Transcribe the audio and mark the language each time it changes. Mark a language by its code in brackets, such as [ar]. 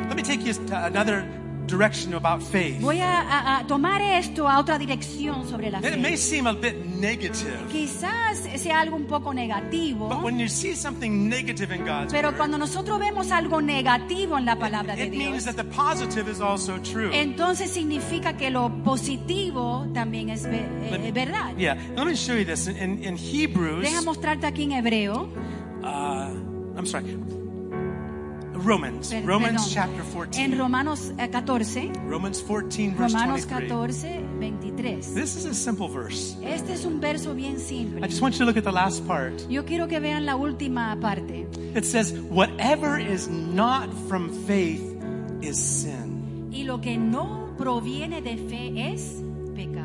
[en] Let me take you to another direction about faith. [es] Voy a tomar esto a otra dirección sobre la fe. [en] It may seem a bit negative. [es] Quizás sea algo un poco negativo. [en] But when you see something negative in God's [es] pero [en] word, [es] cuando nosotros vemos algo negativo en la palabra [en] it, it [es] de [en] means that the positive is also true. [es] Entonces significa que lo positivo también es verdad. [en] Yeah, let me show you this in Hebrews. [es] Deja mostrarte aquí en Hebreo. [en] I'm sorry. Romans, Romans chapter 14. [es] En Romanos 14. [en] Romans 14 verse 23. This is a simple verse. [es] Este es un verso bien simple. [en] I just want you to look at the last part. [es] Yo quiero que vean la última parte. [en] It says, "Whatever is not from faith is sin." [es] Y lo que no proviene de fe es pecado.